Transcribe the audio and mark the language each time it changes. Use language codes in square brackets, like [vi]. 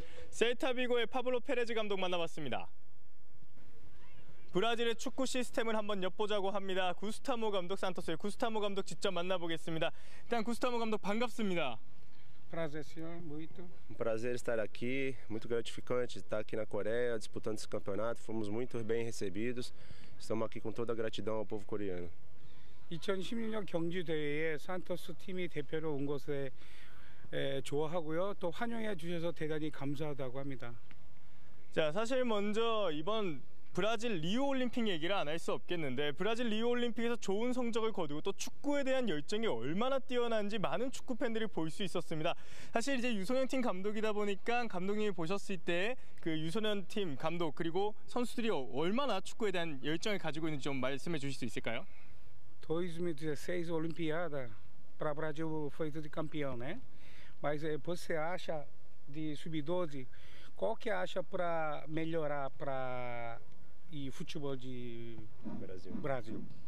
[ko] 셀타비고의 파블로 페레즈 감독 만나봤습니다. 브라질의 축구 시스템을 한번 엿보자고 합니다. 구스타모 감독 산토스의 구스타모 감독 직접 만나보겠습니다. 일단 구스타모 감독 반갑습니다. [pt] Prazer, senhor, muito. Um prazer estar aqui, muito gratificante estar aqui na Coreia disputando esse campeonato. Fomos muito bem recebidos. Estamos aqui com toda a gratidão ao povo coreano. [ko] 2016년 경주 대회에 산토스 팀이 대표로 온 것에 좋아하고요. 또 환영해 주셔서 대단히 감사하다고 합니다. 자, 사실 먼저 이번 브라질 리오 올림픽 얘기를 안 할 수 없겠는데 브라질 리오 올림픽에서 좋은 성적을 거두고 또 축구에 대한 열정이 얼마나 뛰어난지 많은 축구 팬들이 볼 수 있었습니다. 사실 이제 유소년 팀 감독이다 보니까 감독님이 보셨을 때 그 유소년 팀 감독 그리고 선수들이 얼마나 축구에 대한 열정을 가지고 있는지 좀 말씀해 주실 수 있을까요? [pt] 2016 Olimpíada para Brasil foi tudo campeão, né? Mas você acha de sub-12 qual que acha para melhorar para e futebol de Brasil?